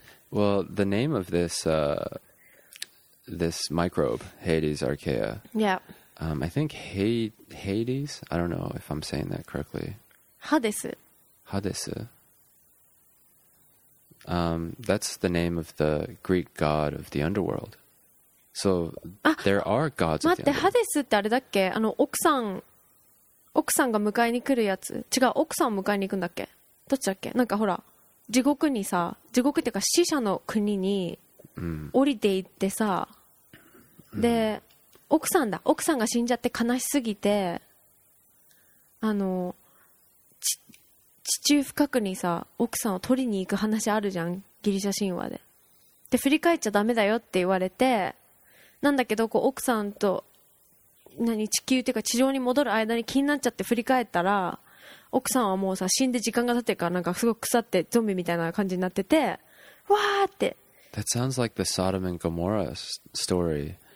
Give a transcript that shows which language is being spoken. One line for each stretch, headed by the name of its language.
English: Well, the name of this microbe, Hades Archaea. Yeah. I think Hades? I don't know if I'm saying that correctly. Hades. That's the name of the Greek god of the underworld. So, there are gods of the underworld.
Japanese: 待って、ハデスってあれだっけ？あの、奥さん、奥さんが迎えに来るやつ、違う、奥さんを迎えに行くんだっけ、どっちだっけ、なんかほら地獄にさ、地獄っていうか死者の国に降りていってさ、うん、で奥さんだ、奥さんが死んじゃって悲しすぎて、あの地中深くにさ奥さんを取りに行く話あるじゃん、ギリシャ神話で。で振り返っちゃダメだよって言われて、なんだけどこう奥さんと何、地球っていうか地上に戻る間に気になっちゃって振り返ったら、奥さんはもうさ死んで時間が経ってるから、なんかすごく腐ってゾンビみたいな感じになってて、わーって。
English: That sounds like the Sodom and Gomorrah story.